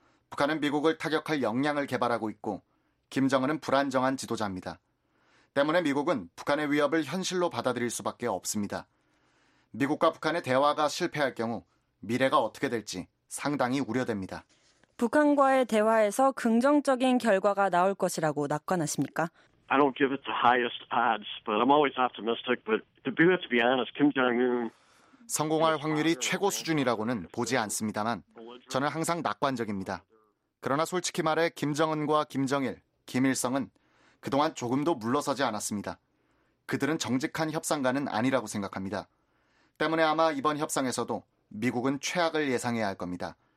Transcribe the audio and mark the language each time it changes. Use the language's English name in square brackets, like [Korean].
[Korean] 북한은 미국을 타격할 역량을 개발하고 있고 김정은은 불안정한 지도자입니다. 때문에 미국은 북한의 위협을 현실로 받아들일 수밖에 없습니다. 미국과 북한의 대화가 실패할 경우 미래가 어떻게 될지 상당히 우려됩니다. 북한과의 대화에서 긍정적인 결과가 나올 것이라고 낙관하십니까? [English] I don't give it the highest odds, but I'm always optimistic. But to be honest, Kim Jong-un [Korean] 성공할 확률이 최고 수준이라고는 보지 않습니다만, 저는 항상 낙관적입니다. 그러나 솔직히 말해 김정은과 김정일, 김일성은 그동안 조금도 물러서지 않았습니다. 그들은 정직한 협상가는 아니라고 생각합니다. 때문에 아마 이번 협상에서도 미국은 최악을 예상해야 할 겁니다.